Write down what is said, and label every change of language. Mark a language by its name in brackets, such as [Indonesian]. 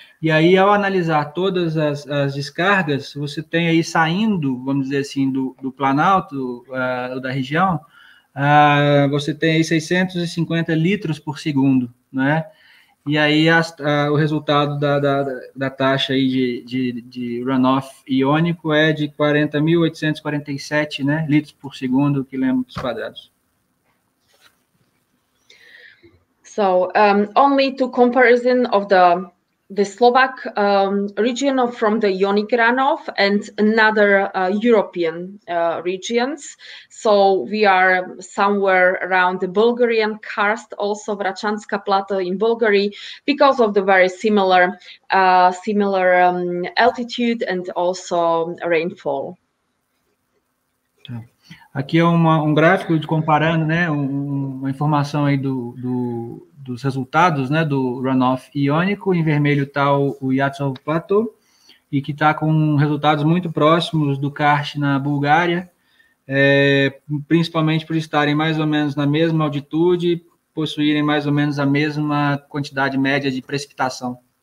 [Portuguese] E aí, ao analisar todas as descargas, você tem aí saindo, vamos dizer assim, do Planalto, da região, você tem aí 650 litros por segundo, né? E aí, o resultado da taxa aí de runoff iônico é de 40.847, né, litros por segundo, quilômetros quadrados. [English] So only to comparison of the Slovak region from the Yoni Granov and another European regions. So we are somewhere around the Bulgarian karst, also Vrachanska Plateau in Bulgaria, because of the very similar altitude and also rainfall. [Portuguese] Aqui é um gráfico de comparando, né, uma informação aí dos resultados, né, do runoff iônico. Em vermelho está o Yatsov Plateau, e que está com resultados muito próximos do karst na Bulgária, principalmente por estarem mais ou menos na mesma altitude, possuírem mais ou menos a mesma quantidade média de precipitação.